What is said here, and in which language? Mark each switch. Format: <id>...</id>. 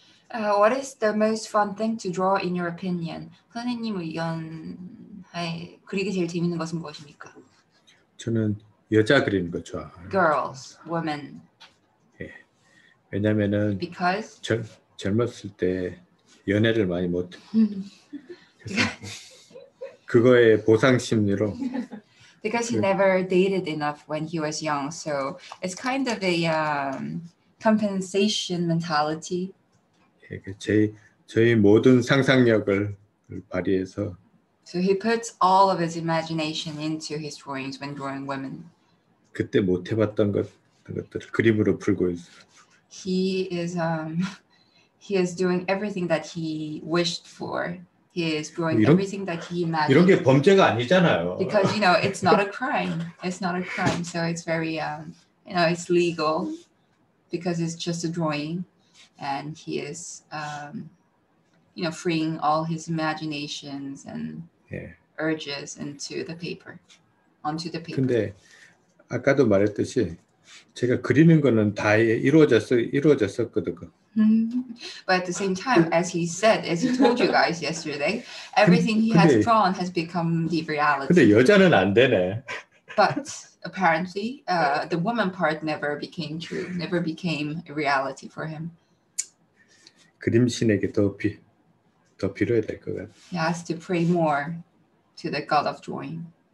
<en>What is the most fun thing to draw in your opinion?</en> <ko>선생님 의견, 그리기 제일 재밌는 것은 무엇입니까? 저는 여자 그리는 거 좋아해요.</ko> <en>Girls, women.</en> <ko>예. 왜냐면은</ko> <en>Because</en> <ko>젊었을 때 연애를 많이 못 그거의 보상 심리로</ko> <en>Because he never dated enough when he was young. So it's kind of a compensation mentality.</en> <ko>저희 모든 상상력을 발휘해서</ko> <en>So he puts all of his imagination into his drawings when drawing women.</en> <ko>그때 못 해봤던 것들을 그림으로 풀고 있어.</ko> <en>He is doing everything that he wished for. He is drawing everything that he imagined.</en> <ko>이런 게 범죄가 아니잖아요.</ko> <en>Because you know, it's not a crime. It's not a crime. So it's very you know, it's legal. Because it's just a drawing, and he is, you know, freeing all his imaginations and urges into the paper, onto the paper.</en> <ko>근데 아까도 말했듯이 제가 그리는 거는 다 이루어졌었거든요.</ko> <en>But at the same time, as he said, as he told you guys yesterday, everything he 근데, has drawn has become the reality.</en> <ko>근데 여자는 안 되네.</ko> <en>But apparently, the woman part never became true, never became a reality for him.</en> <ko>그림 신에게 더 필요해 될 것 같아.</ko> <en>He has to pray more to the God of drawing.</en>